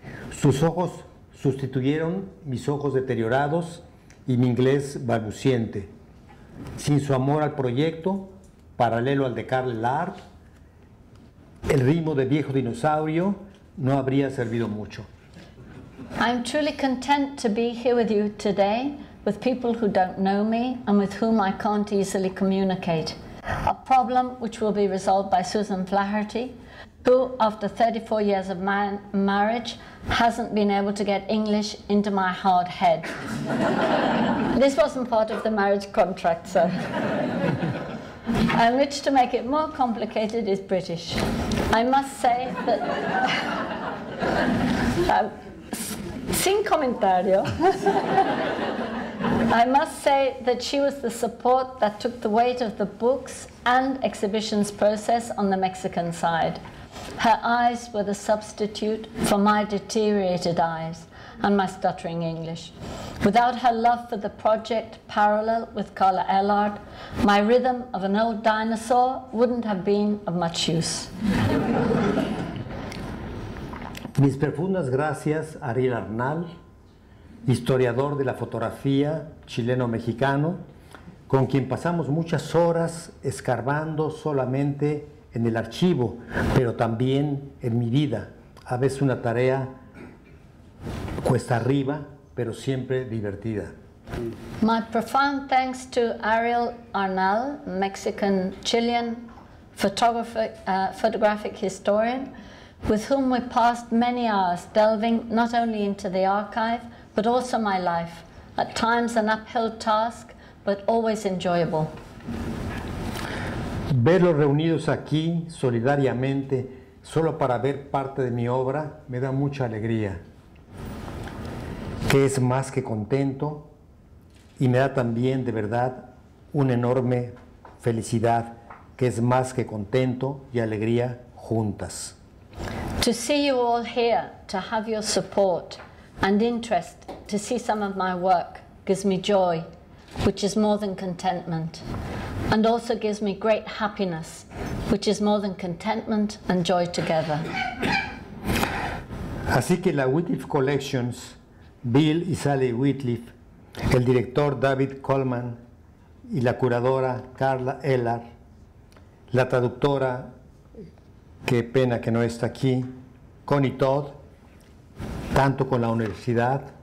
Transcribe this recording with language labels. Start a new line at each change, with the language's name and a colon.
Spanish: Sus ojos sustituyeron mis ojos deteriorados y mi inglés balbuciente. Sin su amor al proyecto, paralelo al de Carl Art, el ritmo de viejo dinosaurio no habría servido mucho.
English: I'm truly content to be here with you today, with people who don't know me and with whom I can't easily communicate. A problem which will be resolved by Susan Flaherty, who, after 34 years of marriage, hasn't been able to get English into my hard head. This wasn't part of the marriage contract, sir. And which, to make it more complicated, is British. I must say that...
Spanish: sin comentario.
English: I must say that she was the support that took the weight of the books and exhibitions process on the Mexican side. Her eyes were the substitute for my deteriorated eyes and my stuttering English. Without her love for the project parallel with Carla Ellard, my rhythm of an old dinosaur wouldn't have been of much use.
Spanish: Mis profundas gracias a Ariel Arnal, historiador de la fotografía chileno-mexicano, con quien pasamos muchas horas escarbando solamente en el archivo, pero también en mi vida. A veces una tarea cuesta arriba, pero siempre divertida.
English: My profound thanks to Ariel Arnal, Mexican-Chilean photographic historian, with whom we passed many hours delving not only into the archive, but also my life, at times an uphill task, but always enjoyable.
Spanish: Verlos reunidos aquí solidariamente, solo para ver parte de mi obra, me da mucha alegría, que es más que contento, y me da también, de verdad, una enorme felicidad, que es más que contento y alegría juntas.
English: To see you all here, to have your support and interest to see some of my work gives me joy, which is more than contentment, and also gives me great happiness, which is more than contentment and joy together.
Spanish: Así que la Wittliff Collections, Bill y Sally Wittliff, el director David Coleman y la curadora Carla Ellard, la traductora, qué pena que no está aquí, Connie Todd, tanto con la Universidad